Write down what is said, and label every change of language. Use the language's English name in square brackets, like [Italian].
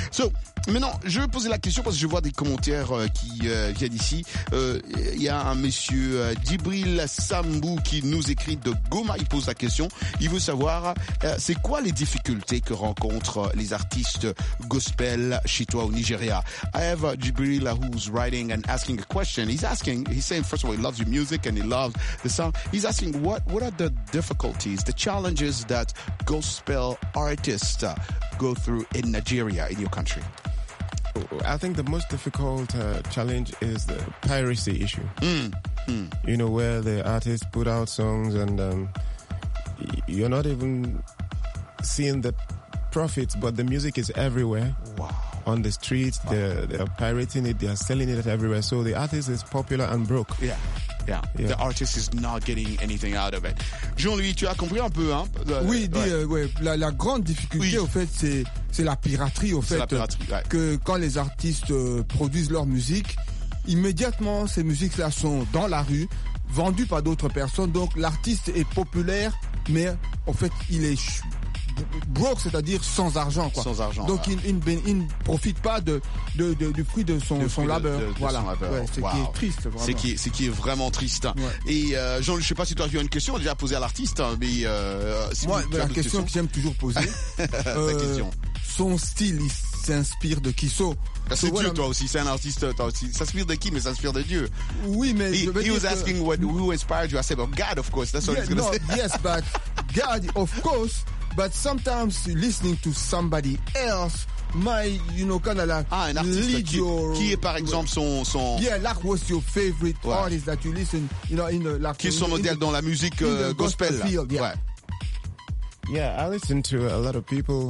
[French] So, maintenant, je vais poser la question parce que je vois des commentaires qui viennent ici. Il y a un monsieur Djibril Sambou qui nous écrit de Goma. Il pose la question. Il veut savoir, c'est quoi les difficultés que rencontrent les artistes gospel chez toi au Nigeria? [English] I have Djibril who's writing and asking a question. He's asking, he's saying, first of all, he loves your music and he loves the sound. He's asking, what are the difficulties, the challenges that gospel artists go through in Nigeria, in your country? I think the most difficult challenge is the piracy issue. Mm. Mm. You know, where the artists put out songs and you're not even seeing the profits, but the music is everywhere. Wow. On the streets, wow. They're pirating it, they're selling it everywhere. So the artist is popular and broke. Yeah. Yeah. Yeah, the artist is not getting anything out of it. [French] Jean-Louis, tu as compris un peu, hein? Oui, dis, ouais. Ouais. La grande difficulté, oui. Au fait, c'est la piraterie, au c'est fait. La piraterie, ouais. Que quand les artistes produisent leur musique, immédiatement, ces musiques-là sont dans la rue, vendues par d'autres personnes. Donc, l'artiste est populaire, mais en fait, il est broke, c'est-à-dire sans argent, quoi. Sans argent. Donc, ouais. il ne profite pas du fruit de son labeur. Voilà. Son labeur. Ouais, [English] wow. [French] Ce qui est triste, vraiment. Ce qui est vraiment triste. Ouais. Et, Jean, je sais pas si toi, tu as une question déjà posée à l'artiste, mais, si moi, la question que j'aime toujours poser. question. Son style, il s'inspire de qui? C'est Dieu, toi aussi. C'est un artiste, toi aussi. Ça s'inspire de qui? Mais ça s'inspire de Dieu. Oui, mais. [English] He was asking who inspired you. I said, well, God, of course. That's what he's gonna say. Yes, but God, of course. But sometimes listening to somebody else might, you know, kind of like [French] an artiste [English] lead your... [French] Qui est par exemple son... [English] Yeah, like what's your favorite artist that you listen, you know, in the... Like, [French] qui est son modèle dans la musique gospel? [English] Field, yeah. Ouais. Yeah, I listen to a lot of people.